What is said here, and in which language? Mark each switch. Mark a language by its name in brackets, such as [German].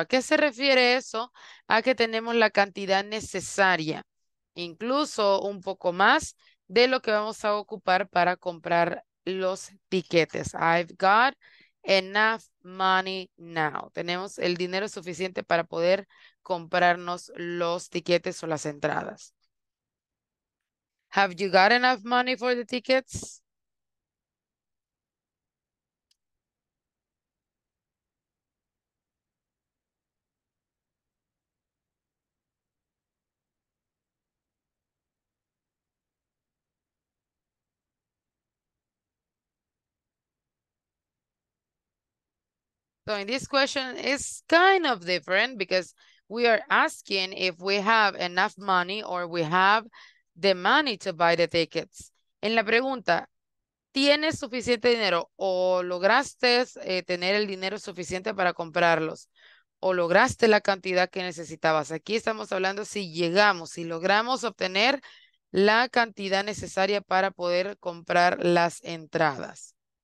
[Spanish] ¿A qué se refiere eso? A que tenemos la cantidad necesaria, incluso un poco más de lo que vamos a ocupar para comprar los tiquetes. [English] I've got enough money now. [Spanish] Tenemos el dinero suficiente para poder comprarnos los tiquetes o las entradas. [English] Have you got enough money for the tickets? So in this question, it's kind of different because we are asking if we have enough money or we have the money to buy the tickets. [Spanish] En la pregunta, ¿tienes suficiente dinero o lograste tener el dinero suficiente para comprarlos o lograste la cantidad que necesitabas? Aquí estamos hablando si llegamos, si logramos obtener la cantidad necesaria para poder comprar las entradas.